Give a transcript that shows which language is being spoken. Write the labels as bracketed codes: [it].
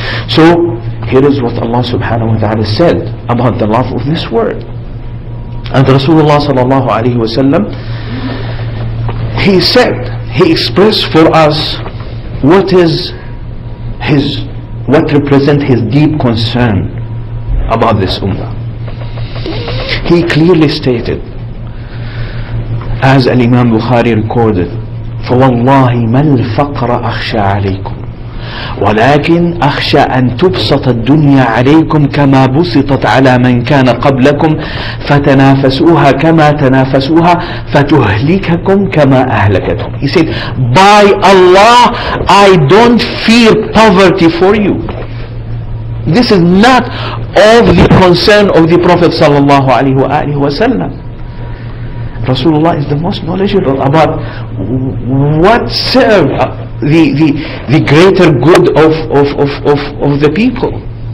[en] So here is what Allah subhanahu wa ta'ala said about the love of this world. And Rasulullah sallallahu alayhi wa sallam, he said, he expressed for us what is his, what represent his deep concern about this ummah. He clearly stated, as Al-Imam Bukhari recorded, [ar] فَوَاللَّهِ مَا الْفَقْرَ أَخْشَى عَلَيْكُمْ ولكن أخشى أن تبسط الدنيا عليكم كما بسطت على من كان قبلكم فتنافسوها كما تنافسوها فتهلككم كما أهلكتهم. [en] He said, by Allah, I don't fear poverty for you. This is not of the concern of the Prophet sallallahu alaihi wasallam. Rasulullah is the most knowledgeable about what served the greater good of the people.